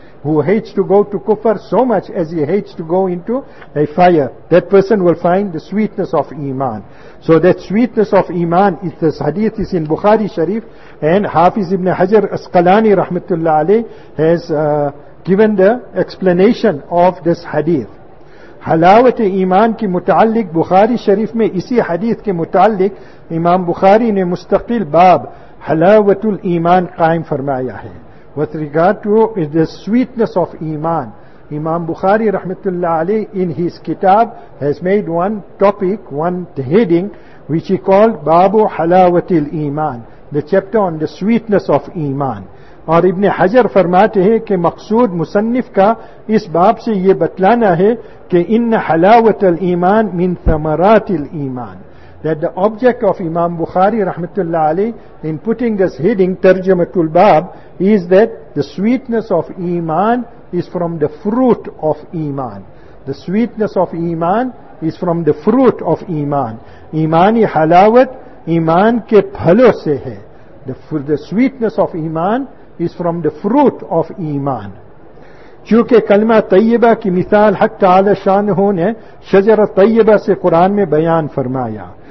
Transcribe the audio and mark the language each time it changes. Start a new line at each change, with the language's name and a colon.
English: Who hates to go to kufr so much as he hates to go into a fire, that person will find the sweetness of iman. So that sweetness of iman, is this hadith is in Bukhari Sharif, and Hafiz Ibn Hajar Asqalani rahmatullah alayh has given the explanation of this hadith.
Urdu: حلاوت ایمان کی متعلق بخاری شریف میں اسی حدیث کے متعلق امام بخاری نے مستقل باب حلاوت الایمان قائم فرمایا ہے.
English: With regard to the sweetness of ایمان, امام بخاری رحمت اللہ علیہ in his kitab has made one topic, one heading which he called باب حلاوت الایمان, the chapter on the sweetness of ایمان.
Urdu: اور ابن حجر فرماتے ہیں کہ مقصود مصنف کا اس باب سے یہ بتلانا ہے کہ
Arabic: ان حلاوت الایمان من ثمرات الایمان.
English: That the object of Imam Bukhari رحمت اللہ علیہ in putting this heading ترجمة الباب is that the sweetness of ایمان is from the fruit of ایمان. The sweetness of ایمان is from the fruit of ایمان.
Urdu: ایمانی حلاوت ایمان کے پھلوں سے ہے.
English: The sweetness of ایمان is from the fruit of iman.
Urdu: چونکہ کلمہ طیبہ کی مثال حق تعالی شانہو نے شجر طیبہ سے قرآن میں بیان فرمایا.